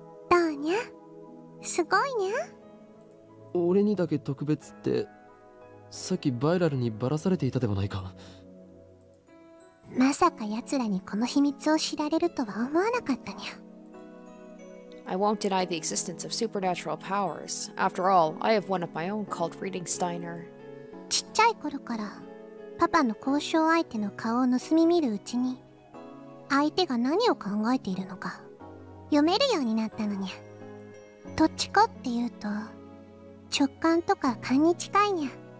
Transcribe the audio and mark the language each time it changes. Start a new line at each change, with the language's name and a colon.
Japanese: どうにゃ、すごいにゃ。俺にだけ特別ってさっきバイラルにバラされていたではないか。まさか奴らにこの秘密を知られるとは思わなかったにゃ。
English: I won't deny the existence of supernatural powers. After all, I have one of my own called Reading Steiner.
Japanese: ちっちゃい頃からパパの交渉相手の顔を盗み見るうちに、相手が何を考えているのか読めるようになったのにゃ。どっちかっていうと直感とか勘に近いにゃ。